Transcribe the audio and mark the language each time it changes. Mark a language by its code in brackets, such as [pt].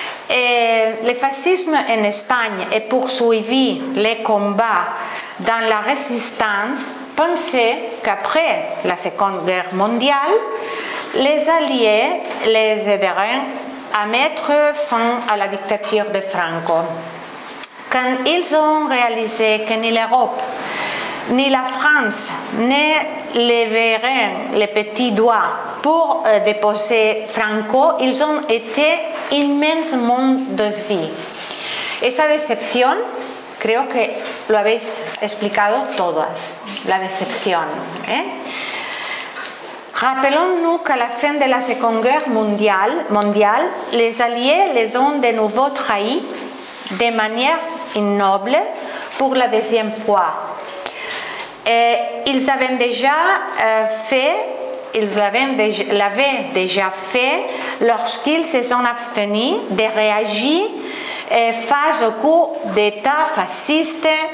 [fr] Le fascisme en Espagne a poursuivi les combats dans la résistance, pensé qu'après la Seconde Guerre mondiale, les alliés les aideraient à mettre fin à la dictature de Franco. Quand ils ont réalisé que ni l'Europe ni la France ne leveraient les petits doigts pour déposer Franco, ils ont été immensement déçus. [es] Esa decepción, creo que lo habéis explicado todas, la decepción. [fr] Rappelons-nous qu'à la fin de la Seconde Guerre mondiale, les Alliés les ont de nouveau trahis de manière ignoble pour la deuxième fois. Et ils avaient déjà fait, ils l'avaient déjà fait lorsqu'ils se sont abstenus de réagir face au coup d'État fasciste